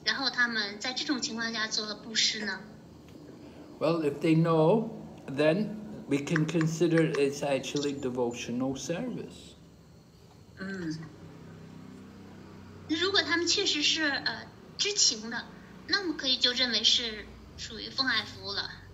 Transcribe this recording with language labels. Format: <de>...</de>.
<zh>如果他们就是也明白，他们也理解，然后他们在这种情况下做了布施呢？</zh> <en>Well, if they know, then we can consider it's actually devotional service.</en> <zh>如果他们确实是知情的，那么可以就认为是属于奉爱服务了。</zh>